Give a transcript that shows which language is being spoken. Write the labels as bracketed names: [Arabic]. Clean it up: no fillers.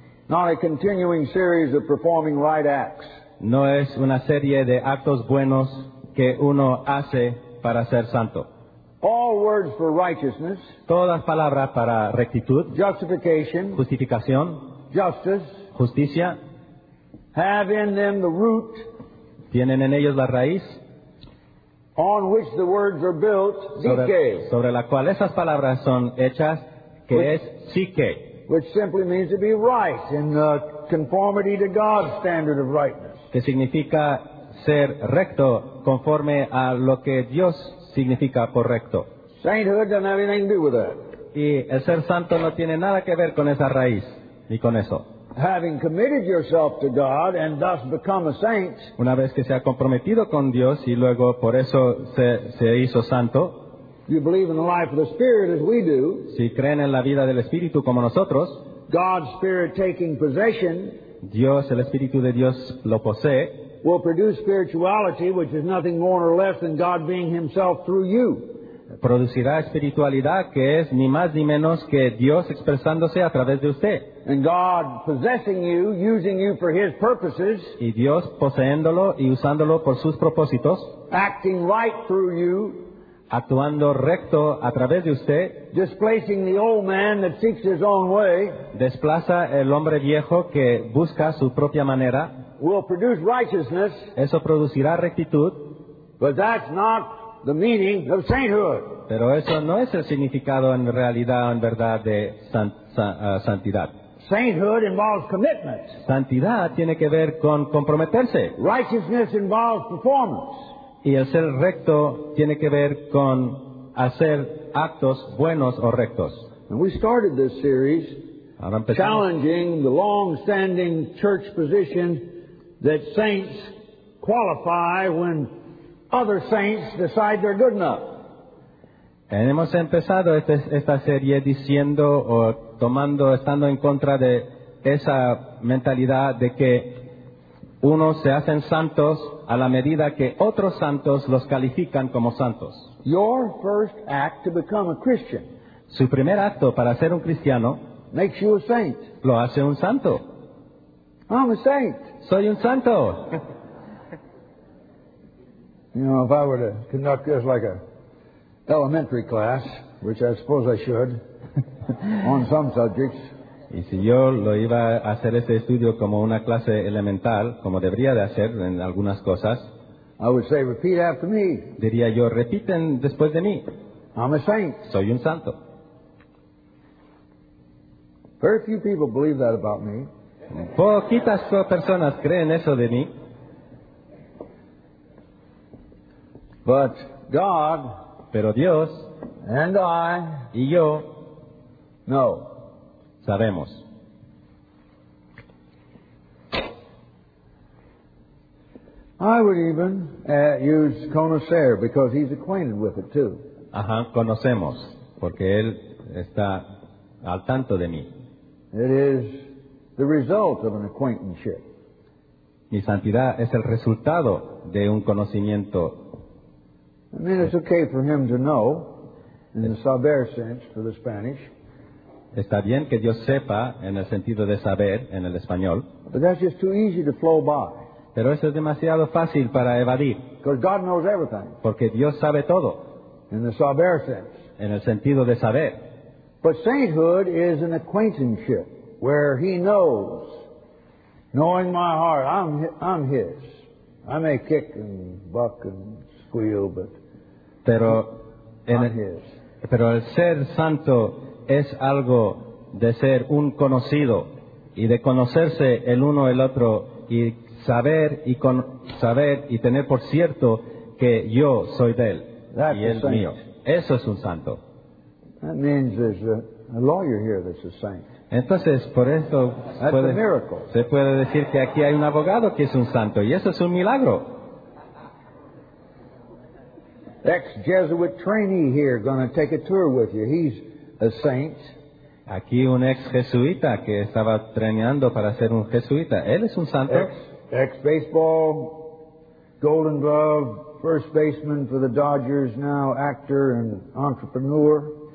[English] Not a continuing series of performing right acts. [Spanish] No es una serie de actos buenos que uno hace para ser santo. [English] All words for righteousness. [Spanish] Todas palabras para rectitud. [English] Justification. [Spanish] Justificación. [English] Justice. [Spanish] Justicia. [English] Have in them the root. [Spanish] Tienen en ellos la raíz. [English] On which the words are built. [Spanish] Psique. Sobre la cual esas palabras son hechas, que es psique. [English] Which simply means to be right in the conformity to God's standard of rightness. [Spanish] Que significa ser recto conforme a lo que Dios significa correcto. [English] Sainthood doesn't have anything to do with that. [Spanish] Y el ser santo no tiene nada que ver con esa raíz ni con eso. [English] Having committed yourself to God and thus become a saint. [Spanish] Una vez que se ha comprometido con Dios y luego por eso se hizo santo. [English] You believe in the life of the Spirit as we do. [Spanish] Si creen en la vida del Espíritu como nosotros. [English] God's Spirit taking possession. [Spanish] Dios, el Espíritu de Dios lo posee. [English] Will produce spirituality, which is nothing more nor less than God being Himself through you. [Spanish] Producirá espiritualidad, que es ni más ni menos que Dios expresándose a través de usted. [English] And God possessing you, using you for His purposes. [Spanish] Y Dios poseéndolo y usándolo por sus propósitos. [English] Acting right through you. [Spanish] Actuando recto a través de usted. [English] Displacing the old man that seeks his own way. [Spanish] Desplaza el hombre viejo que busca su propia manera. [English] Will produce righteousness. [Spanish] Eso producirá rectitud. [English] But that's not the meaning of sainthood. [Spanish] Pero eso no es el significado en realidad, en verdad, de santidad. [English] Sainthood involves commitment. [Spanish] Santidad tiene que ver con comprometerse. [English] Righteousness involves performance. [Spanish] Y el ser recto tiene que ver con hacer actos buenos o rectos. [English] And we started this series challenging the long-standing church position that saints qualify when other saints decide they're good enough. And [Spanish] hemos empezado esta serie diciendo o tomando, estando en contra de esa mentalidad de que unos se hacen santos a la medida que otros santos los califican como santos. [English] Your first act to become a Christian. [Spanish] Su primer acto para ser un cristiano [English] makes you a saint. [Spanish] Lo hace un santo. [English] I'm a saint. [Spanish] Soy un santo. [English] You know, if I were to conduct this like an elementary class, which I suppose I should, on some subjects. [Spanish] Y si yo lo iba a hacer este estudio como una clase elemental, como debería de hacer en algunas cosas. [English] I would say, repeat after me. [Spanish] Diría yo, repiten después de mí. [English] I'm a saint. [Spanish] Soy un santo. [English] Very few people believe that about me. [Spanish] Poquitas personas creen eso de mí. [English] But God, [Spanish] pero Dios, [English] and I, [Spanish] y yo, no, sabemos. [English] I I would even use conocer because he's acquainted with it too. [Spanish] Ajá, conocemos, porque él está al tanto de mí. [English] It is the result of an acquaintanceship. [Spanish] Mi santidad es el resultado de un conocimiento. [English] I mean, it's okay for him to know, in the saber sense, for the Spanish. [Spanish] Está bien que Dios sepa en el sentido de saber en el español. [English] But that's just too easy to flow by. [Spanish] Pero eso es demasiado fácil para evadir. [English] Because God knows everything. [Spanish] Porque Dios sabe todo. [English] In the saber sense. [Spanish] En el sentido de saber. [English] But sainthood is an acquaintanceship where he knows, knowing my heart, I'm his. I may kick and buck and squeal, but I'm his. [Spanish] Pero el ser santo es algo de ser un conocido y de conocerse el uno el otro y saber y con saber y tener por cierto que yo soy de él. [English] That's [Spanish] y él mío. Eso es un santo. [English] That means there's a lawyer here that's a saint. [Spanish] Entonces, por eso se puede decir que aquí hay un abogado que es un santo, y eso es un milagro. [English] Ex-Jesuit trainee here going to take a tour with you. He's a saint. [Spanish] Aquí un ex-jesuita que estaba entrenando para ser un jesuita. Él es un santo. [English] Ex-baseball, Golden Glove, first baseman for the Dodgers, now actor and entrepreneur.